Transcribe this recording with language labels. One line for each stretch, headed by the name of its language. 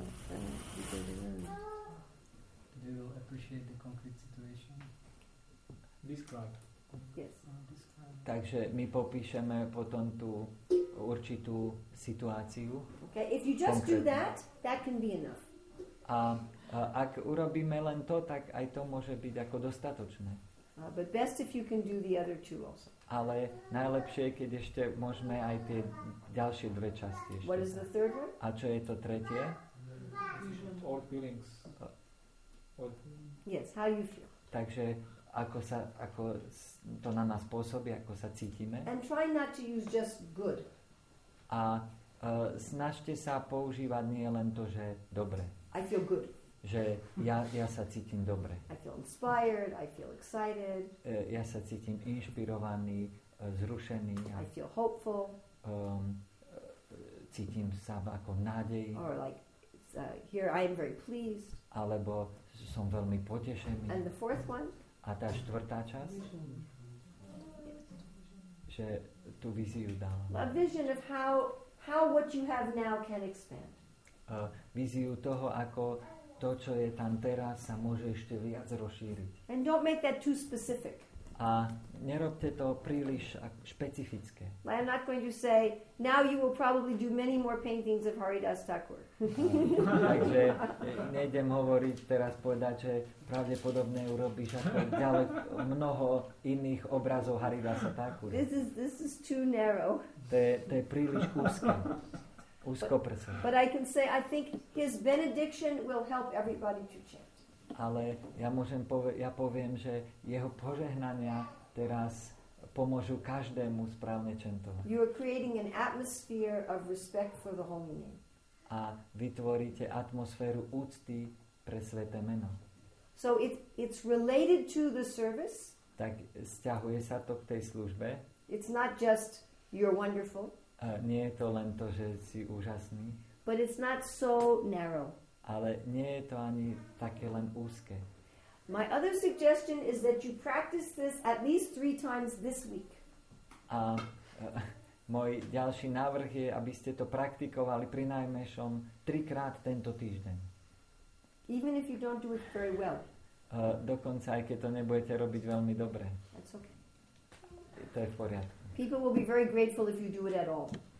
English: Do you appreciate the concrete situation? Describe. Yes.
Slovak: Takže my popíšeme potom tú určitú situáciu.
English: Okay, if you just do that, that can be enough.
Slovak: A ak urobíme len to, tak aj to môže byť ako dostatočné.
English: But best if you can do the other two also.
Slovak: Ale najlepšie je, keď ešte môžeme aj tie ďalšie dve časti ešte.
English: What is the third one?
Slovak: A čo je to tretie?
English: Or feelings. Yes, how you feel.
Slovak: Takže ako sa, ako to na nás pôsobí, ako sa cítime.
English: And try not to use just good.
Slovak: A snažte sa používať nie len to, že dobre.
English: I feel good.
Slovak: Že ja sa cítim dobre.
English: I feel inspired, I feel excited.
Slovak: Ja sa cítim inšpirovaný, zrušený.
English: I feel hopeful.
Slovak: Cítim sa ako nádej.
English: Or like, here I am very pleased.
Slovak: Alebo som veľmi potešený.
English: And the fourth one?
Slovak: A tá štvrtá časť? Že tú víziu dávam.
English: A vision of how what you have now can expand.
Slovak: Víziu toho, ako to, čo je tam teraz, sa môže ešte viac rozšíriť.
English: And don't make that too specific.
Slovak: A nerobte to príliš špecifické.
English: I am not going to say, now you will probably do many more paintings of Haridas Thakur.
Slovak: Takže nejdem hovoriť teraz povedať, že pravdepodobne urobíš ako ďalej mnoho iných obrazov Haridasa Thakur.
English: This is too narrow.
Slovak: To je príliš úzke.
English: But I can say I think his benediction will help everybody to chant.
Slovak: Ale ja môžem poviem, že jeho požehnania teraz pomôžu každému správne čentovať.
English: You are creating an atmosphere of respect for the holy name.
Slovak: A vytvoríte atmosféru úcty pre sväté meno.
English: So it's related to the service.
Slovak: Tak sťahuje sa to k tej službe.
English: It's not just you're wonderful.
Slovak: Nie je to len to, že si úžasný.
English: But it's not so narrow.
Slovak: Ale nie je to ani také len úzke.
English: My other suggestion is that you practice this at least 3 times this week.
Slovak: A môj ďalší návrh je, aby ste to praktikovali prinajmenšom 3-krát tento týždeň.
English: Even if you don't do it very well.
Slovak: Dokonca aj keď to nebudete robiť veľmi dobre.
English: That's okay.
Slovak: To je v poriadku.
English: People will be very grateful if you do it at all.